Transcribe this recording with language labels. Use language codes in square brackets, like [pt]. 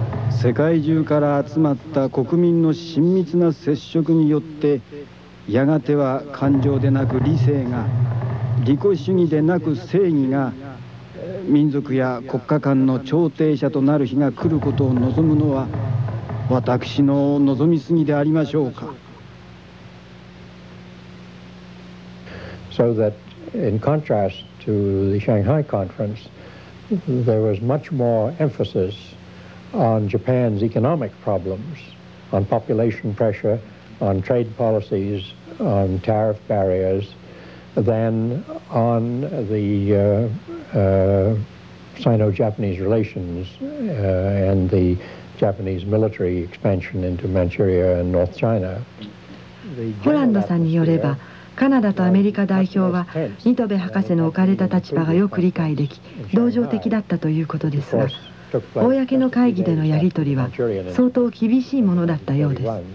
[ja] 世界中から集まった国民の親密な接触によって、やがては感情でなく理性が、利己主義でなく正義が、民族や国家間の調停者となる日が来ることを望むのは私の望みすぎでありましょうか。 [en] So that in contrast to the Shanghai conference, there was much more emphasis on Japan's economic problems, on population pressure, on trade policies, on tariff barriers, than on the Sino-Japanese relations and the Japanese military expansion into Manchuria and North China. [ja] ホランドさんによれば、カナダとアメリカ代表は新渡戸博士の置かれた立場がよく理解でき、同情的だったということですが、公の会議でのやり取りは相当厳しいものだったようです。